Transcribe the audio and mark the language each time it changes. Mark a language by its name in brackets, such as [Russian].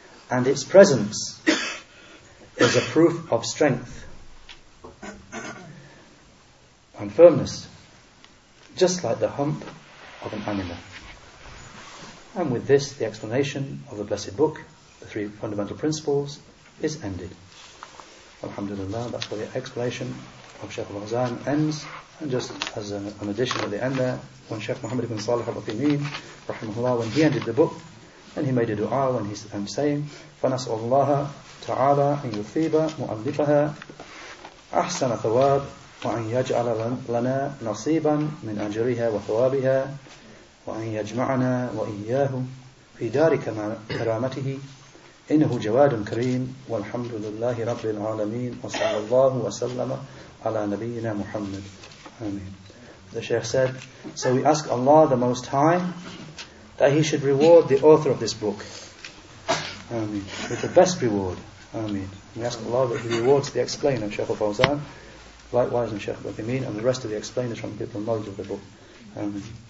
[English] And its presence is a proof of strength and firmness, just like the hump of an animal. And with this, the explanation of the Blessed Book, the three fundamental principles, is ended. Alhamdulillah, that's where the explanation of Shaykh al-Azan ends. And just as an addition at the end there, when Shaykh Muhammad ibn Salih al-Uthaymeen, rahimahullah, when he ended the book, and he made a dua, when he's saying, [Arabic] فَنَسْعُ اللَّهَ تَعَالَىٰ أَنْ يُثِيبَ مُؤَلِّفَهَا أَحْسَنَ ثَوَابٍ وَأَنْ يَجْعَلَ لَنَا نَصِيبًا مِنْ أَجْرِهَا وَثَوَابِهَا وَأَنْ يَجْمَعَنَا وَإِيَّاهُ فِي دَارِ كَرَامَتِهِ إِنَّهُ جَوَادٌ كَرِيمٌ وَالْحَمْدُ لِلَّهِ رَبِّ الْعَالَمِينَ وَصَلَّى اللَّهُ وَسَلَّمَ عَلَىٰ نَبِيِّنَا مُحَمَّدٍ. [English] Amen. The Shaykh said, so we ask Allah the Most High that He should reward the author of this book. Amen. With the best reward. Amen. We ask Allah that He rewards the explainer, Shaykh al-Fawzan, likewise, and Shaykh al-Fawzan, and the rest of the explainers from the people of knowledge of the book. Amen.